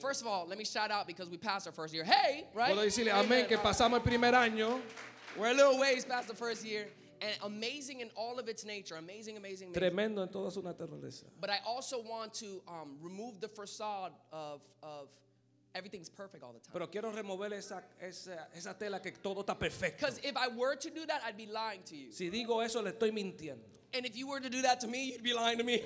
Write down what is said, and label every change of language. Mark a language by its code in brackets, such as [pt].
[en] first of all, let me shout out because we passed our first year. Hey, right? [es] Puedo decirle, amén, que pasamos el primer año. [en] We're a little ways past the first year. And amazing in all of its nature. Amazing, amazing, amazing. [es] Tremendo en toda su naturaleza. [en] But I also want to remove the facade of everything's perfect all the time. [es] Pero quiero remover esa tela que todo está perfecto. [en] Because if I were to do that, I'd be lying to you. [es] Si digo eso, le estoy mintiendo. [en] And if you were to do that to me, you'd be lying to me.